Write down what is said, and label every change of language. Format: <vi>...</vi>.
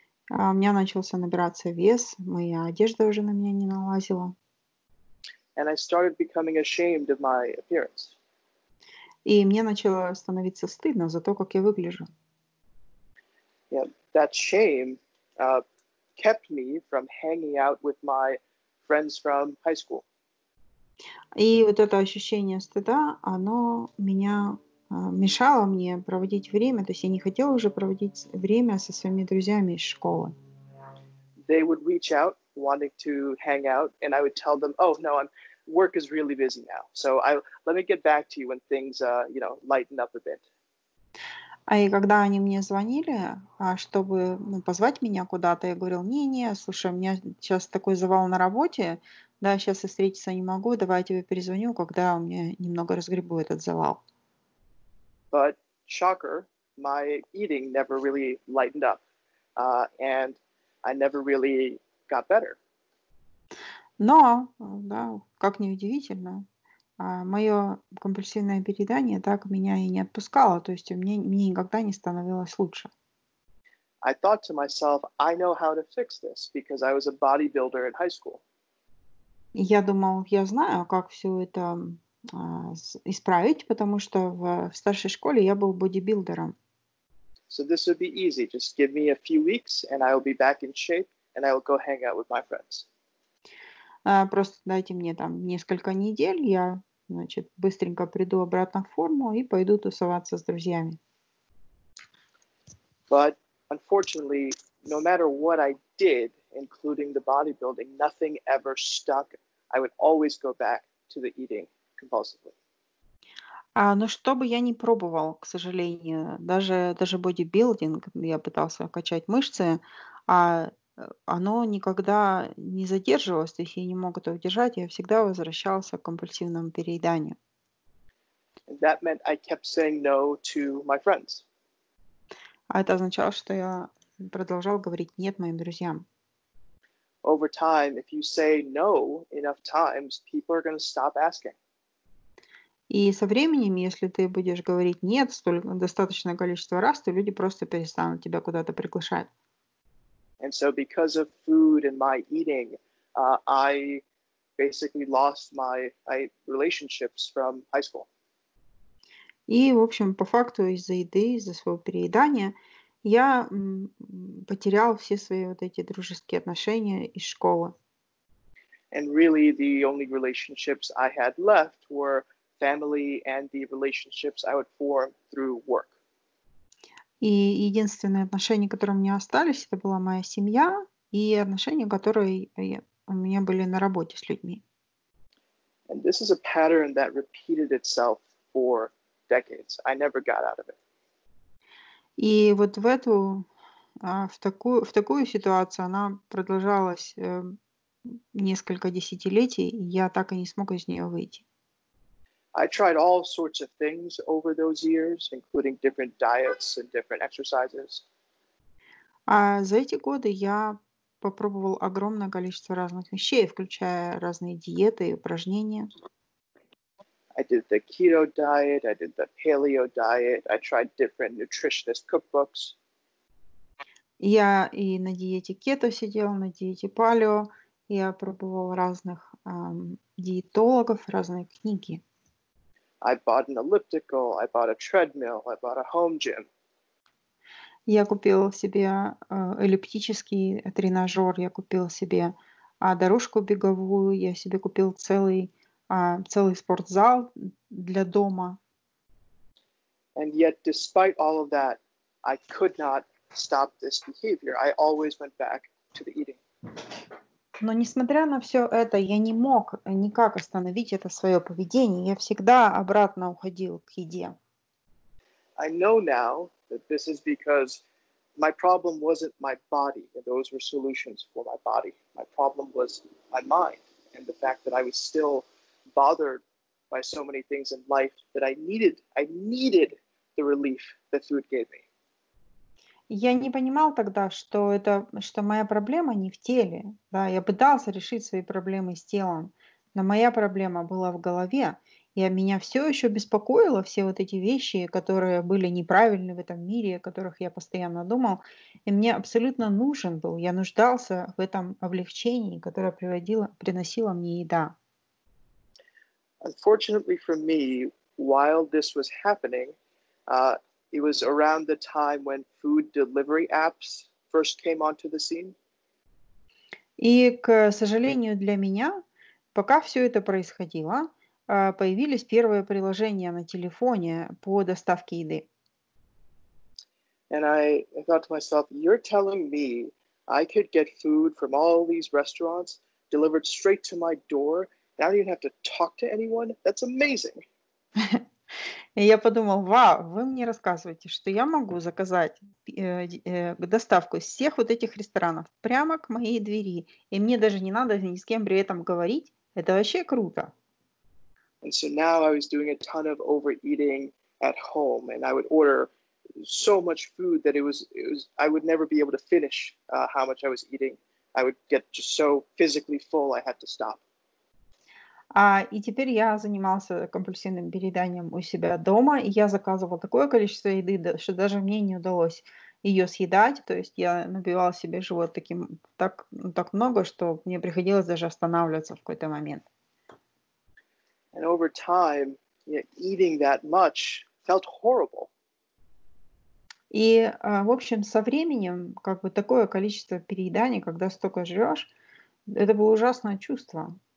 <ru>У меня начался набираться вес, моя одежда уже на меня не налазила.</ru> <en>And I started becoming ashamed of my appearance.</en> <ru>И мне начало становиться стыдно за то, как я выгляжу.</ru> <en>Yeah, that shame kept me from hanging out with my friends from high school.</en> <ru>И вот это ощущение стыда, оно меня мешало мне проводить время, то есть я не хотела уже проводить время со своими друзьями из школы.</ru> <en>They would reach out wanting to hang out, and I would tell them, "Oh no, work is really busy now. So let me get back to you when things, you know, lighten up a bit."</en> <ru>А и когда они мне звонили, чтобы позвать меня куда-то, я говорил, не-не, слушай, у меня сейчас такой завал на работе, да, сейчас я встретиться не могу, давай я тебе перезвоню, когда у меня немного разгребу этот завал.</ru> <en>But, shocker, my eating never really lightened up, and I never really got better.</en> <ru>Но, да, как ни удивительно, мое компульсивное переедание так меня и не отпускало, то есть мне никогда не становилось лучше.</ru> <en>I thought to myself, I know how to fix this, because I was a bodybuilder in high school.</en> <ru>Я думал, я знаю, как все это исправить, потому что в старшей школе я был бодибилдером.</ru> <en>So this would be easy, just give me a few weeks, and I will be back in shape, and I will go hang out with my friends.</en> <ru>Просто дайте мне там несколько недель, я, значит, быстренько приду обратно в форму и пойду тусоваться с друзьями.</ru> <en>But unfortunately, no matter what I did, including the bodybuilding, nothing ever stuck. I would always go back to the eating compulsively.</en> <ru>Но что бы я ни пробовал, к сожалению, даже бодибилдинг, я пытался качать мышцы, оно никогда не задерживалось, то есть я не мог это удержать, я всегда возвращался к компульсивному перееданию.</ru> <en>That meant I kept saying no to my friends.</en> <ru>А это означало, что я продолжал говорить «нет» моим друзьям.</ru> <en>Over time, if you say no enough times, people are going to stop asking.</en> <ru>И со временем, если ты будешь говорить «нет» достаточное количество раз, то люди просто перестанут тебя куда-то приглашать.</ru> <en>And so because of food and my eating, I basically lost my relationships from high school.</en> <ru>И, в общем, по факту из-за еды, из-за своего переедания, я потерял все свои вот эти дружеские отношения из школы.</ru> <en>And really the only relationships I had left were family and the relationships I would form through work.</en> <ru>И единственные отношения, которые у меня остались, это была моя семья и отношения, которые у меня были на работе с людьми.</ru> <en>And this is a pattern that repeated itself for decades. I never got out of it.</en> <ru>И вот в такую ситуацию она продолжалась несколько десятилетий, и я так и не смог из нее выйти.</ru> <en>I tried all sorts of things over those years, including different diets and different exercises.</en> <ru>За эти годы я попробовал огромное количество разных вещей, включая разные диеты и упражнения.</ru> <en>I did the keto diet, I did the paleo diet, I tried different nutritionist cookbooks.</en> <ru>Я и на диете кето сидела, на диете палео. Я пробовала разных диетологов, разные книги.</ru> <en>I bought an elliptical, I bought a treadmill, I bought a home gym.</en> <ru>Я купила себе эллиптический тренажер, я купила себе дорожку беговую, я себе купила целый спортзал для дома.</ru> <en>And yet, despite all of that, I could not stop this behavior. I always went back to the eating.</en> <ru>Но несмотря на все это, я не мог никак остановить это свое поведение. Я всегда обратно уходил к еде.</ru> <en>I know now that this is because my problem wasn't my body, and those were solutions for my body. My problem was my mind, and the fact that I was still bothered by so many things in life that I needed the relief that food gave me.</en> <ru>Я не понимал тогда, что моя проблема не в теле. Да, я пытался решить свои проблемы с телом, но моя проблема была в голове. И меня все еще беспокоило все вот эти вещи, которые были неправильны в этом мире, о которых я постоянно думал. И мне абсолютно нужен был, я нуждался в этом облегчении, которое приносила мне еда.</ru> <en>Unfortunately for me, while this was happening, it was around the time when food delivery apps first came onto the scene.</en> <ru>И, к сожалению для меня, пока все это происходило, появились первые приложения на телефоне по доставке еды.</ru> <en>And I thought to myself, you're telling me I could get food from all these restaurants delivered straight to my door, and I don't even have to talk to anyone? That's amazing!</en> <ru>И я подумал, вау, вы мне рассказываете, что я могу заказать доставку из всех вот этих ресторанов прямо к моей двери, и мне даже не надо ни с кем при этом говорить. Это вообще круто.</ru> <en>And so now I was doing a ton of overeating at home, and I would order so much food that it was I would never be able to finish how much I was eating. I would get just so physically full, I had to stop.</en> <ru>И теперь я занимался компульсивным перееданием у себя дома, и я заказывал такое количество еды, что даже мне не удалось ее съедать. То есть я набивал себе живот так много, что мне приходилось даже останавливаться в какой-то момент.</ru> <en>And over time, eating that much felt horrible.</en> <ru>И, в общем, со временем, как бы такое количество перееданий, когда столько жрешь, это было ужасное чувство.</ru>